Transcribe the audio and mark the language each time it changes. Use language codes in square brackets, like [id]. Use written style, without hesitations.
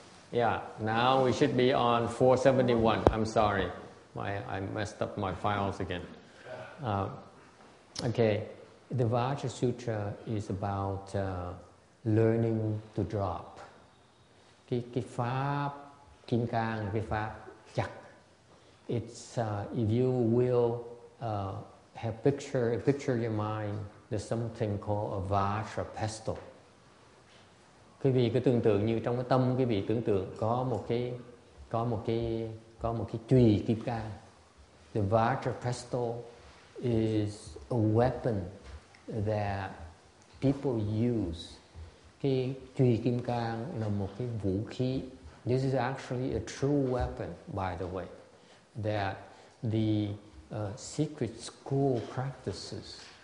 [en] Yeah, now we should be on 471. I'm sorry. I messed up my files again. Okay. The Vajra Sutra is about learning to drop. [vi] Cái pháp kim cang, cái pháp chặt. [en] It's, if you will, picture your mind, there's something called a Vajra pestle. [vi] Quý vị cứ tưởng tượng như trong cái tâm quý vị tưởng tượng có một cái chùy kim cang. [en] The Vajra pestle is a weapon that people use. [vi] Cái chùy kim cang là một cái vũ khí. [en] This is actually a true weapon, by the way, that the secret school practices.